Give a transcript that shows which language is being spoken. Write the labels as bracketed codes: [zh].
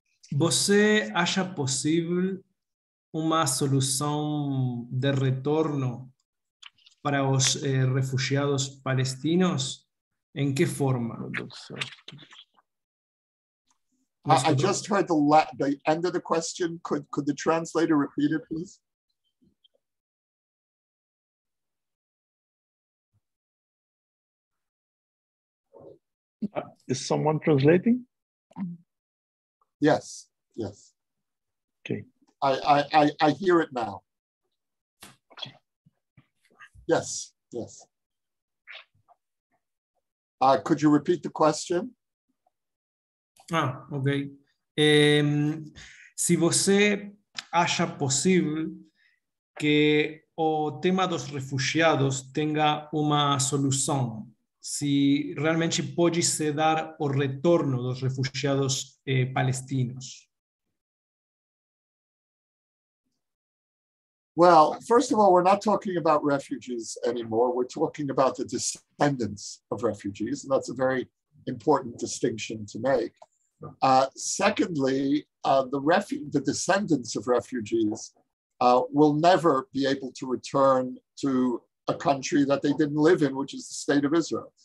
[pt] Você acha possível uma solução de retorno para os refugiados palestinos Em que forma? [en] I just heard the end of the question. Could the translator repeat it, please? Is someone translating? Yes. Yes. Okay. I hear it now. Yes. Yes. Could you repeat the question? Ah, okay. [pt] Se você acha possível que o tema dos refugiados tenha uma solução, se realmente pode se dar o retorno dos refugiados palestinos? [en] Well, first of all, we're not talking about refugees anymore. We're talking about the descendants of refugees, and that's a very important distinction to make. Secondly, the descendants of refugees will never be able to return to a country that they didn't live in, which is the state of Israel.